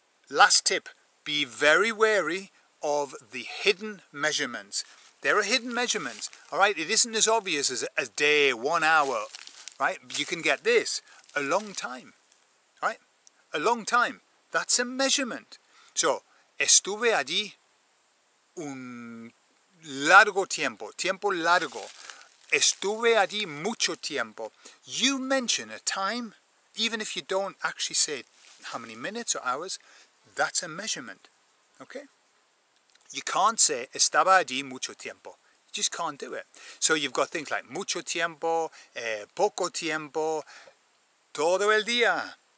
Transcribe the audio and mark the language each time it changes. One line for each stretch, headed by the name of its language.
English: Last tip, be very wary of the hidden measurements. There are hidden measurements, all right? It isn't as obvious as a day, 1 hour, right? You can get this, a long time, right? A long time, that's a measurement.
Spanish: So, estuve allí un largo tiempo, tiempo largo. Estuve allí mucho tiempo.
English: You mention a time, even if you don't actually say how many minutes or hours, that's a measurement, okay? You can't say estaba allí mucho tiempo. You just can't do it. So you've got things like
Spanish: mucho tiempo, poco tiempo, todo el día.